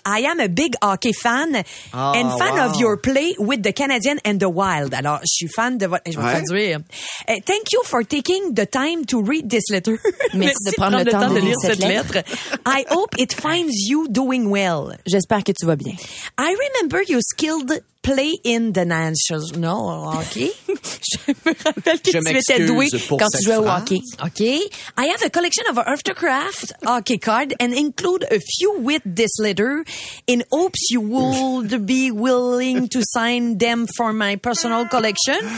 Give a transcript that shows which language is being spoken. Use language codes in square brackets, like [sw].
[en] I am a big hockey fan and fan of your play with the Canadian and the Wild. [fr] Alors, je suis fan de votre... [en] Thank you for taking the time to read this letter. [fr] Merci de prendre le temps de lire cette lettre. [en] I hope it finds you doing well. [fr] J'espère que tu vas bien. [en] I remember you skilled play in the National Hockey. [fr] Je me rappelle que tu étais doué quand tu jouais au hockey. [en] OK. I have a collection of Aftercraft hockey cards and include a few with this letter in hopes you would be willing to sign them for my personal collection.